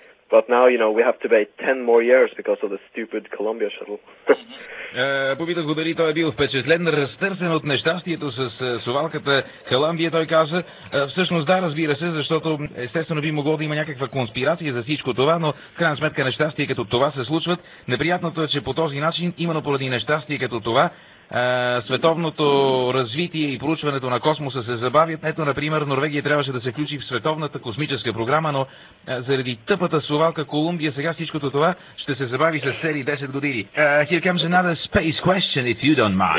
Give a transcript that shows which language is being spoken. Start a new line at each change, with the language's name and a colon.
English: But now, you know, we have to wait 10 more years because of the stupid Columbia shuttle.
Bulgarian: Попитах го дали той е бил впечатлен, разтърсен от нещастието с совалката Columbia. Той каза, всъщност да, разбира се, защото естествено би могло да има някаква конспирация за всичко това, но в крайна сметка нещастие като това се случват. Неприятното е, че по този начин, именно поради нещастие като това, световното развитие и проучването на космоса се забавят. Ето, например, Норвегия трябваше да се включи в световната космическа програма, но заради тъпата совалка Колумбия сега всичкото това ще се забави с цели 10 години.
English: Here comes another space question, if you don't mind.